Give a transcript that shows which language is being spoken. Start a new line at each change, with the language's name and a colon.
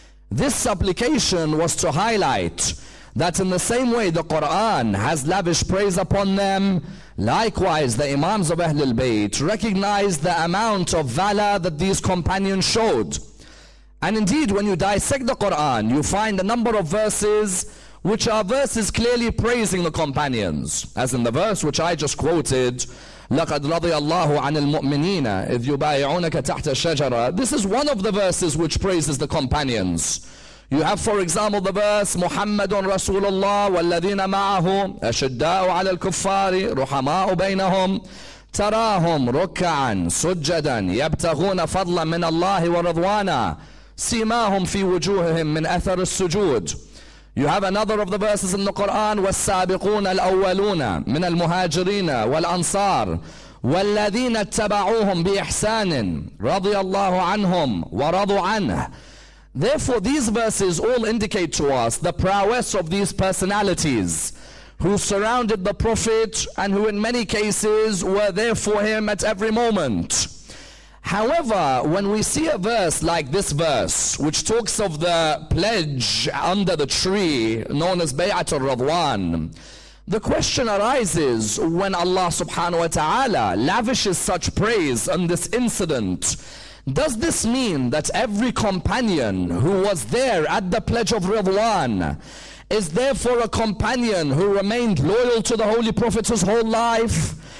English: This supplication was to highlight that in the same way the Quran has lavished praise upon them, likewise the Imams of Ahlul Bayt recognize the amount of valor that these companions showed. And indeed, when you dissect the Quran, you find a number of verses which are verses clearly praising the companions. As in the verse which I just quoted,
Arabic: لقد رضي الله عن المؤمنين إذ يبايعونك تحت الشجرة.
English: This is one of the verses which praises the companions. You have, for example, the verse
Arabic: محمد رسول الله والذين معه أشداء على الكفار رحماء بينهم تراهم ركعا سجدا يبتغون فضلا من الله ورضوانا سيماهم في وجوههم من أثر السجود.
English: You have another of the verses in the Quran,
Arabic: والسابقون الأولون من المهاجرين والأنصار والذين اتبعوهم بإحسان رضي الله عنهم ورضوا عنه.
English: Therefore, these verses all indicate to us the prowess of these personalities who surrounded the Prophet and who in many cases were there for him at every moment. However, when we see a verse like this verse, which talks of the pledge under the tree known as Bay'at al-Radwan, the question arises when Allah subhanahu wa ta'ala lavishes such praise on this incident, does this mean that every companion who was there at the pledge of Radwan is therefore a companion who remained loyal to the Holy Prophet his whole life?